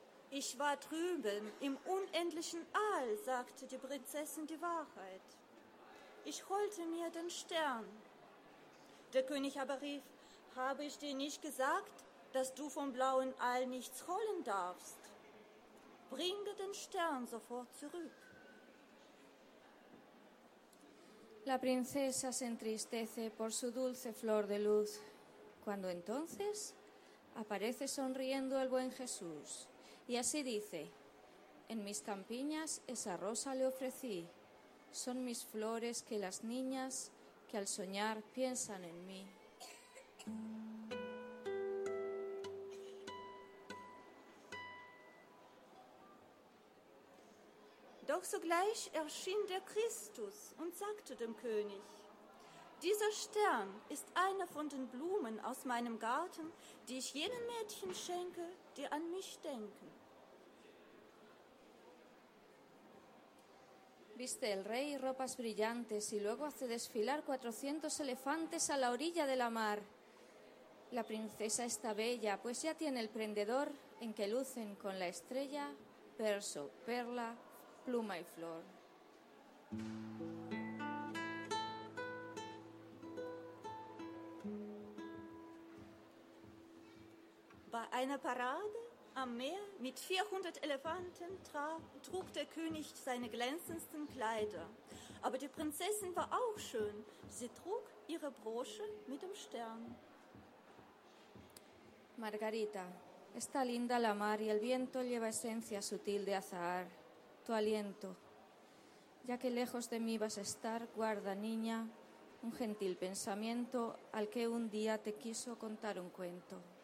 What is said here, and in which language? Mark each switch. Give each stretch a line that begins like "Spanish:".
German: Ich war drüben im unendlichen All, sagte die Prinzessin die Wahrheit. Ich holte mir den Stern. Der König aber rief, habe ich dir nicht gesagt, dass du vom blauen All nichts holen darfst? Bringe den Stern sofort zurück.
Spanish: La princesa se entristece por su dulce flor de luz, cuando entonces aparece sonriendo el buen Jesús. Y así dice, en mis campiñas esa rosa le ofrecí, son mis flores que las niñas que al soñar piensan en mí.
German: Doch sogleich erschien der Christus und sagte dem König, dieser Stern ist eine von den Blumen aus meinem Garten, die ich jenen Mädchen schenke, die an mich denken.
Spanish: Viste el rey ropas brillantes y luego hace desfilar 400 elefantes a la orilla de la mar. La princesa está bella, pues ya tiene el prendedor en que lucen con la estrella, perso, perla, pluma y flor.
German: Bei einer Parade am Meer mit 400 Elefanten trug der König seine glänzendsten Kleider. Aber die Prinzessin war auch schön. Sie trug ihre Brosche mit dem Stern.
Spanish: Margarita, está linda la mar y el viento lleva esencia sutil de azahar. Tu aliento, ya que lejos de mí vas a estar, guarda, niña, un gentil pensamiento al que un día te quiso contar un cuento.